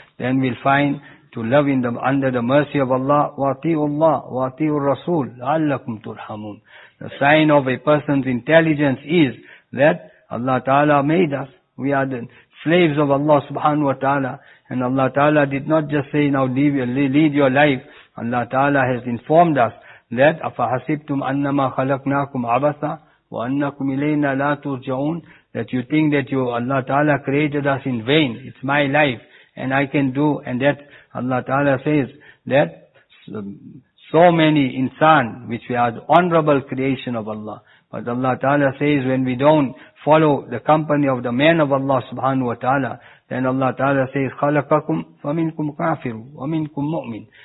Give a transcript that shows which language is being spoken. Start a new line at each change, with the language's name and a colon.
English: Then we'll find to live in the, under the mercy of Allah,
Arabic: وَاطِيُوا اللَّهِ وَاطِيُوا الرَّسُولِ لَعَلَّكُمْ تُرْحَمُونَ.
English: The sign of a person's intelligence is that Allah Ta'ala made us. We are the slaves of Allah subhanahu wa ta'ala. And Allah Ta'ala did not just say, now lead your life. Allah Ta'ala has informed us that,
Arabic: أَفَحَسِبْتُمْ أَنَّمَا خَلَقْنَاكُمْ عَبَثًا وَأَنَّكُمْ إِلَيْنَا لَا تُرْجَعُونَ.
English: That you think that you, Allah Ta'ala created us in vain. It's my life. And I can do, and that Allah Ta'ala says that so many insan, which we are the honorable creation of Allah. But Allah Ta'ala says when we don't follow the company of the man of Allah subhanahu wa ta'ala, then Allah Ta'ala says,
Arabic: خَلَقَكُمْ فَمِنْكُمْ كَافِرُ وَمِنْكُمْ مُؤْمِنُ.